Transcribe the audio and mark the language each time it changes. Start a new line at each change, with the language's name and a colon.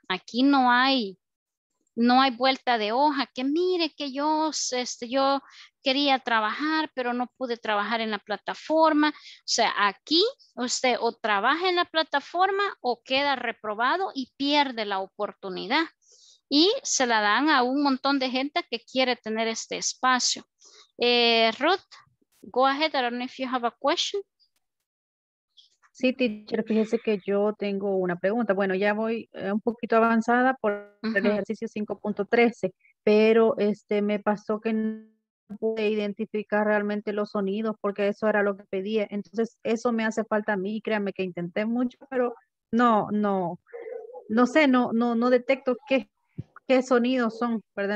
Spanish: Aquí no hay vuelta de hoja, que mire que yo quería trabajar, pero no pude trabajar en la plataforma. O sea, aquí usted o trabaja en la plataforma o queda reprobado y pierde la oportunidad. Y se la dan a un montón de gente que quiere tener este espacio.
English: Ruth, go ahead, I don't know if you have a question.
Spanish: Sí, teacher, fíjese que yo tengo una pregunta. Bueno, ya voy un poquito avanzada por el ejercicio 5.13, pero me pasó que no pude identificar realmente los sonidos porque eso era lo que pedía. Entonces, eso me hace falta a mí, créanme que intenté mucho, pero no detecto qué sonidos son, ¿verdad?